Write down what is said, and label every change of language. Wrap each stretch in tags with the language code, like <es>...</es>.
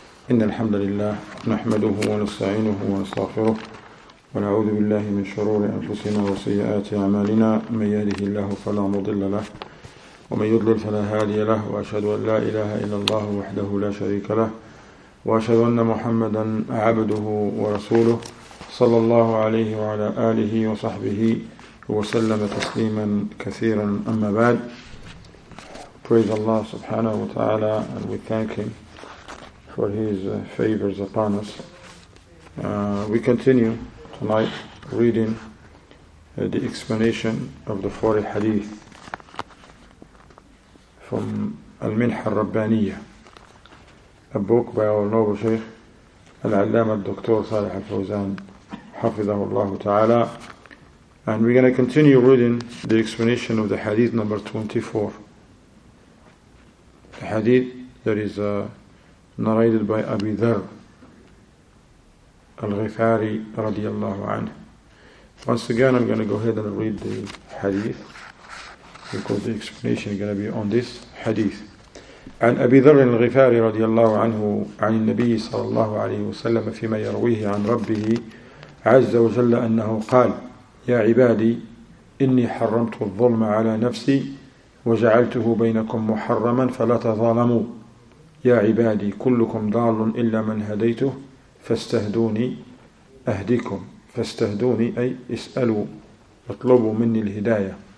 <ar>إن الحمد لله نحمده ونستعينه ونستغفره ونعوذ بالله من شرور أنفسنا وسيئات أعمالنا، من يهده الله فلا مضل له ومن يضلل فلا هادي له، وأشهد أن لا إله إلا الله وحده لا شريك له، وأشهد أن محمدا عبده ورسوله صلى الله عليه وعلى آله وصحبه وسلم تسليما كثيرا. أما بعد،</ar> <en>praise Allah</en> <ar>سبحانه وتعالى</ar> <en>and we thank him for his favors upon us. We continue tonight reading the explanation of the 40 hadith from Al-Minha al-Rabbaniya, a book by our noble Shaykh Al-Allama Dr. Salih Al-Fawzan Hafidhahu Allah Ta'ala. And we're going to continue reading the explanation of the hadith number 24. The hadith that is narrated by Abi Dharr al-Ghifari radiyallahu anhu. Once again, I'm going to go ahead and read the hadith because the explanation is going to be on this hadith.</en> <ar>عن أبي ذر الغفاري رضي الله عنه عن النبي صلى الله عليه وسلم فيما يرويه عن ربه عز وجل أنه قال: يا عبادي، إني حرمت الظلم على نفسي وجعلته بينكم محرما فلا تظالموا، يا عبادي كلكم ضال إلا من هديته فاستهدوني أهديكم، فاستهدوني أي اسألوا اطلبوا مني الهداية،</ar>